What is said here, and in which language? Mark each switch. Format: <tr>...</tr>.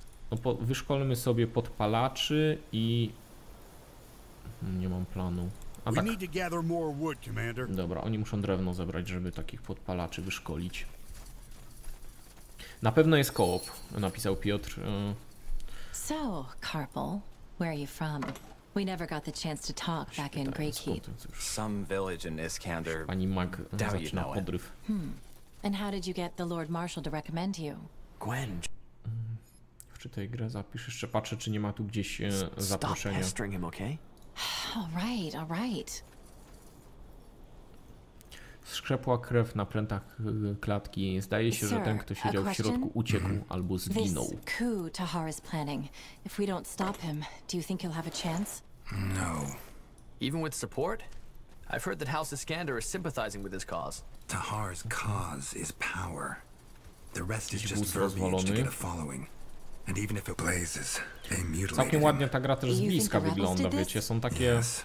<pl>No, wyszkolmy sobie podpalaczy i... Nie mam planu. A tak. Dobra, oni muszą drewno zebrać, żeby takich podpalaczy wyszkolić. Na pewno jest co-op, napisał Piotr.</pl> <en>So, Carpal. Where are you from? We never got the chance to talk back in Greykeep. Some village in Iskander.</en> <pl>Pani Mag zaczyna podryw.</pl> <en>And how did you get the Lord Marshal to recommend you? Gwen.</en> <pl>W czy tej grze zapisz? Jeszcze patrzę, czy nie ma tu gdzieś zaproszenia.</pl> <en>Stop pestering him, okay? All right, all right.</en> <pl>Skrzepła krew na prętach klatki. Zdaje się, że ten, kto siedział w środku, uciekł albo zginął.</pl> <en>This coup Tahar is planning. If we don't stop him, do you think he'll have a chance? No. Even with support? I've heard that House Iskander is sympathizing with his cause. Tahar's cause is power. The rest is just verbiage to get a following. And even if it blazes, they mutilate.</en> <pl>Całkiem ładnie ta gra też z bliska wygląda, wiecie, są takie.</pl>